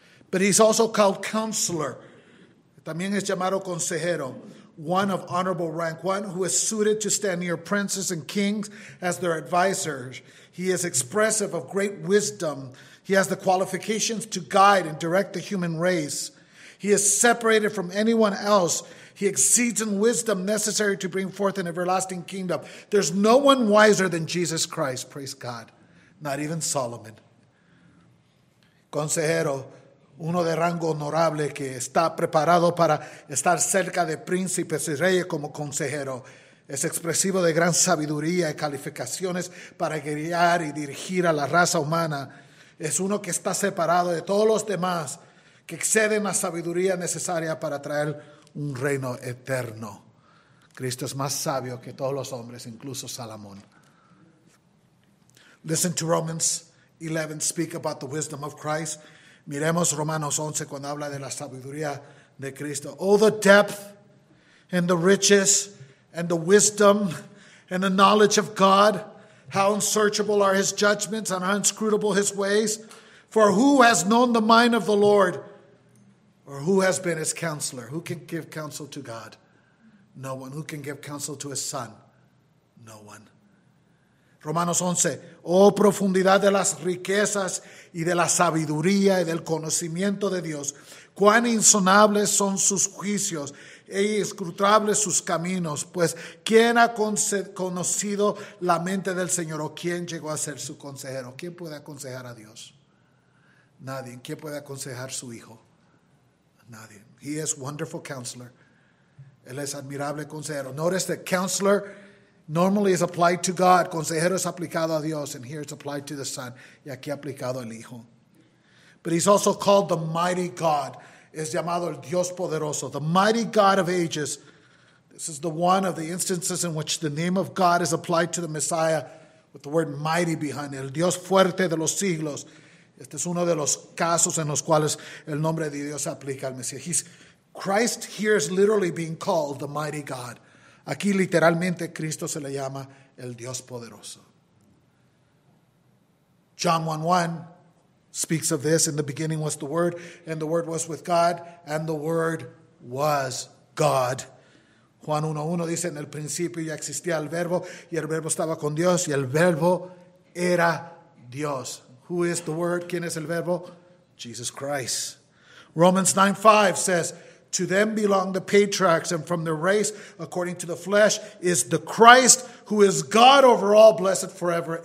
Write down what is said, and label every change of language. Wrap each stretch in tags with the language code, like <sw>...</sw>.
<en>But he's also called counselor.</en> <es>También es llamado consejero.</es> <en>One of honorable rank. One who is suited to stand near princes and kings as their advisors. He is expressive of great wisdom. He has the qualifications to guide and direct the human race. He is separated from anyone else. He exceeds in wisdom necessary to bring forth an everlasting kingdom. There's no one wiser than Jesus Christ, praise God. not even Solomon.</en> <es>Consejero, uno de rango honorable que está preparado para estar cerca de príncipes y reyes como consejero, es expresivo de gran sabiduría y calificaciones para guiar y dirigir a la raza humana. Es uno que está separado de todos los demás, que excede en la sabiduría necesaria para traer un reino eterno. Cristo es más sabio que todos los hombres, incluso Salomón.</es> <en>Listen to Romans 11, speak about the wisdom of Christ.</en> <es>Miremos Romanos 11 cuando habla de la sabiduría de Cristo.</es> <en>Oh, the depth and the riches and the wisdom and the knowledge of God. How unsearchable are his judgments and how inscrutable his ways. For who has known the mind of the Lord? Or who has been his counselor? Who can give counsel to God? No one. Who can give counsel to his son? No one. Romanos 11.</en> <es>Oh, profundidad de las riquezas y de la sabiduría y del conocimiento de Dios. Cuán insondables son sus juicios e inescrutables sus caminos. Pues, ¿quién ha conocido la mente del Señor? ¿O quién llegó a ser su consejero? ¿Quién puede aconsejar a Dios? Nadie. ¿Quién puede aconsejar a su hijo? Nadie.</es> <en>He is wonderful counselor.</en> <es>Él es admirable consejero.</es> <en>Notice that counselor normally is applied to God.</en> <es>Consejero es aplicado a Dios.</es> <en>And here it's applied to the Son.</en> <es>Y aquí aplicado al Hijo.</es> <en>But he's also called the mighty God.</en> <es>Es llamado el Dios poderoso.</es> <en>The mighty God of ages. This is the one of the instances in which the name of God is applied to the Messiah with the word mighty behind it.</en> <es>El Dios fuerte de los siglos. Este es uno de los casos en los cuales el nombre de Dios se aplica al Mesías.</es> <en>Christ here is literally being called the mighty God.</en> <es>Aquí literalmente Cristo se le llama el Dios poderoso.</es> <en>John 1:1 speaks of this. In the beginning was the Word, and the Word was with God, and the Word was God.</en> <es>Juan 1:1 dice, en el principio ya existía el Verbo, y el Verbo estaba con Dios, y el Verbo era Dios.</es> <en>Who is the Word?</en> <es>¿Quién es el Verbo?</es> <en>Jesus Christ. Romans 9:5 says, to them belong the patriarchs, and from their race, according to the flesh, is the Christ, who is God over all, blessed forever.</en>